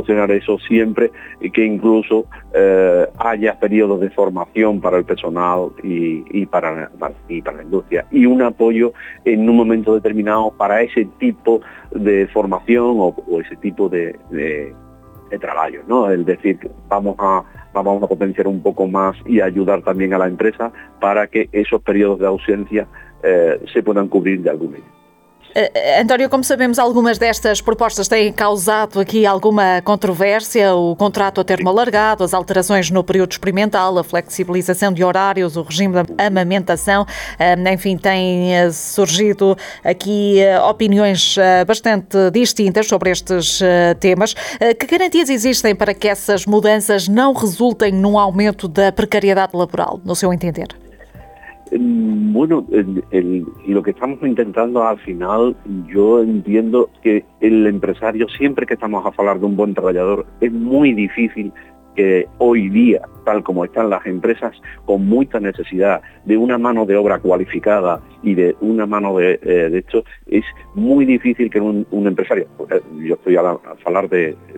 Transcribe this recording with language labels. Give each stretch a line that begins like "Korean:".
Spanish: eso siempre, y que incluso haya periodos de formación para el personal y para la industria, y un apoyo en un momento determinado para ese tipo de formación o ese tipo de trabajo, ¿no? Es decir, vamos a potenciar un poco más y ayudar también a la empresa para que esos periodos de ausencia se puedan cubrir de algún modo.
Portuguese: António, como sabemos, algumas destas propostas têm causado aqui alguma controvérsia, o contrato a termo alargado, as alterações no período experimental, a flexibilização de horários, o regime da amamentação, enfim, têm surgido aqui opiniões bastante distintas sobre estes temas. Que garantias existem para que essas mudanças não resultem num aumento da precariedade laboral, no seu entender?
Spanish: Bueno, lo que estamos intentando al final, yo entiendo que el empresario, siempre que estamos a hablar de un buen trabajador, es muy difícil que hoy día, tal como están las empresas, con mucha necesidad de una mano de obra cualificada y de una mano de hecho, es muy difícil que un empresario, yo estoy a hablar de,